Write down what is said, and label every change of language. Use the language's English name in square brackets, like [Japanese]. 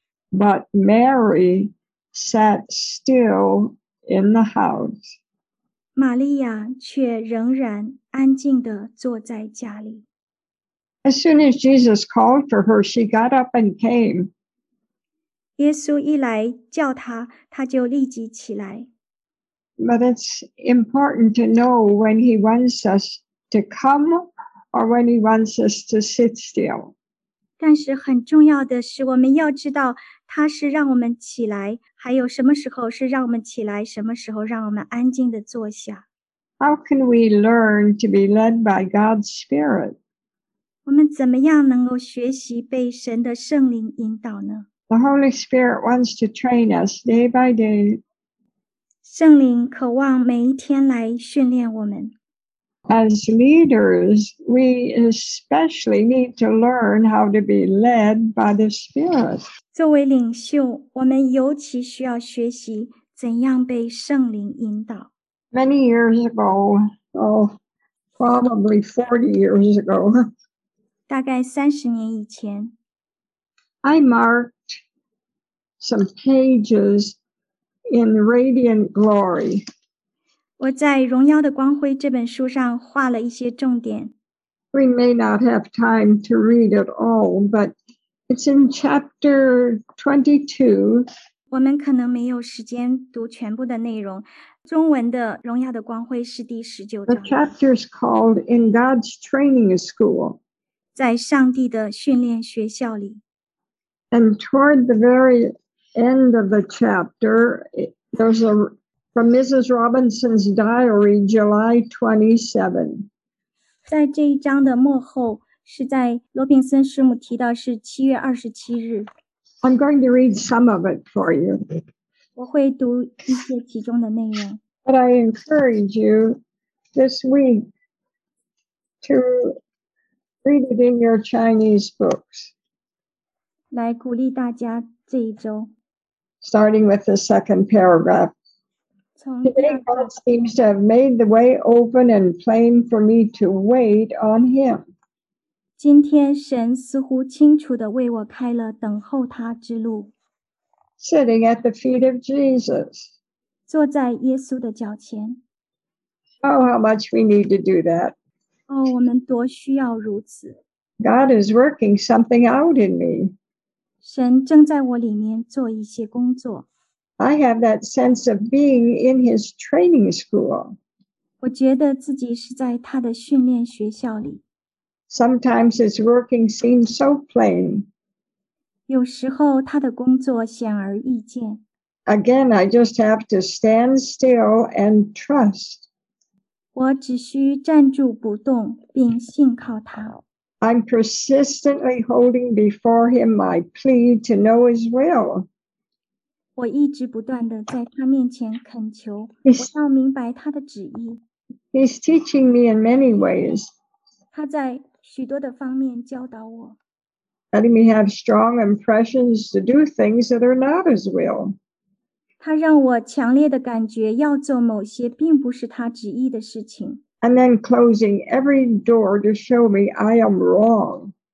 [English] But Mary sat still in the house. [Chinese] 玛利亚却仍然安静地坐在家里。 [English] As soon as Jesus called for her, she got up and came. [Chinese] 耶稣一来叫她，她就立即起来。 [English] But it's important to know when he wants us to come or when he wants us to sit still. [Chinese] 但是很重要的是，我们要知道他是让我们起来，还有什么时候是让我们起来，什么时候让我们安静地坐下。 [English] How can we learn to be led by God's Spirit? [Chinese] 我们怎么样能够学习被神的圣灵引导呢？ [English] The Holy Spirit wants to train us day by day. [Chinese] 圣灵渴望每一天来训练我们。 [English] As leaders, we especially need to learn how to be led by the Spirit. [Chinese] 作为领袖，我们尤其需要学习怎样被圣灵引导。 [English] Many years ago, probably 40 years ago, [Chinese] 大概30年以前， [English] I marked some pages in Radiant Glory. [Chinese] 我在《荣耀的光辉》这本书上画了一些重点。 [English] We may not have time to read it all, but it's in chapter 22. [Chinese] 我们可能没有时间读全部的内容。中文的荣耀的光辉是第十九章。 [English] The chapter is called In God's Training School. [Chinese] 在上帝的训练学校里。 [English] And toward the very end of the chapter, there's a, from Mrs. Robinson's diary, July 27. [Chinese] 在这一章的末后，是在罗宾森师母提到是七月二十七日。 [English] I'm going to read some of it for you. [Chinese] 我会读一些其中的内容。 [English] But I encourage you this week to read it in your Chinese books. [Chinese] 来鼓励大家这一周。 [English] Starting with the second paragraph. Today God seems to have made the way open and plain for me to wait on him. [Chinese] 今天神似乎清楚地为我开了等候他之路。 [English] Sitting at the feet of Jesus. [Chinese] 坐在耶稣的脚前。 [English] Oh, how much we need to do that. [Chinese] 哦，我们多需要如此。 [English] God is working something out in me. [Chinese] 神正在我里面做一些工作。 [English] I have that sense of being in his training school. [Chinese] 我觉得自己是在他的训练学校里。 [English] Sometimes his working seems so plain. [Chinese] 有时候他的工作显而易见。 [English] Again, I just have to stand still and trust. [Chinese] 我只需站住不动并信靠他。 [English] I'm persistently holding before him my plea to know his will. [Chinese] 我一直不断地在他面前恳求，我要明白他的旨意。 [English] He's teaching me in many ways. [Chinese] 他在许多的方面教导我。 [English] Letting me have strong impressions to do things that are not his will. [Chinese] 他让我强烈的感觉要做某些并不是他旨意的事情。 [English] And then closing every door to show me I am wrong.